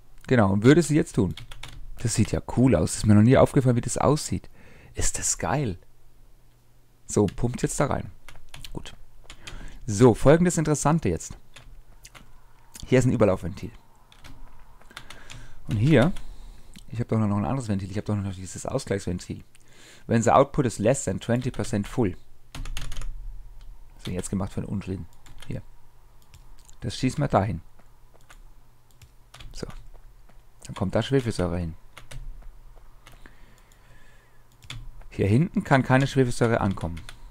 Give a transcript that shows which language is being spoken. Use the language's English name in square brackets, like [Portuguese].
[German] Genau, und würde sie jetzt tun. Das sieht ja cool aus. Ist mir noch nie aufgefallen, wie das aussieht. Ist das geil. So, pumpt jetzt da rein. Gut. So, folgendes Interessante jetzt. Hier ist ein Überlaufventil. Und hier, ich habe doch noch ein anderes Ventil, ich habe doch noch dieses Ausgleichsventil. [English] When the output is less than 20% full. [German] Das ist jetzt gemacht für einen Unsinn. Hier. Das schießen wir dahin. So. Dann kommt da Schwefelsäure hin. Hier hinten kann keine Schwefelsäure ankommen.